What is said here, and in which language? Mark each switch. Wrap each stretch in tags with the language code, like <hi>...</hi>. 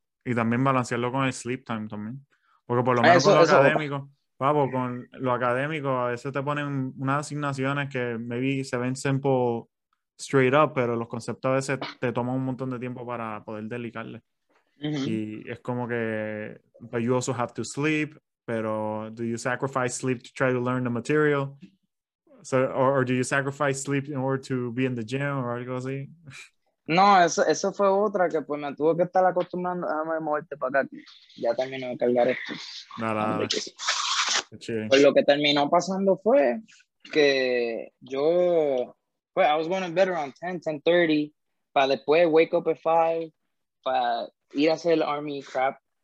<es>Y también balancearlo con el</es> <en>sleep time</en> <es>también, porque por lo menos con lo académico a veces te ponen unas asignaciones que</es> <en>maybe</en> <es>se ven</es> <en>simple straight up,</en> <es>pero los conceptos a veces te toman un montón de tiempo para poder delicarle.</es> <en>Mm-hmm.</en> <es>Y es como que,</es> <en>but you also have to sleep.</en> <es>Pero,</es> <en>do you sacrifice sleep to try to learn the material? So, or do you sacrifice sleep in order to be in the gym or</en> <es>algo así? No, eso fue otra que pues me tuvo que estar acostumbrando. Déjame moverte para acá. Ya terminé de cargar esto. Nada. Pues lo que terminó pasando fue que yo, pues,</es> <en>I was going to bed around 10, 10:30,</en> <es>para después</es> <en>wake up at 5,</en> <es>para ir a hacer el</es> <en>army crap.</en>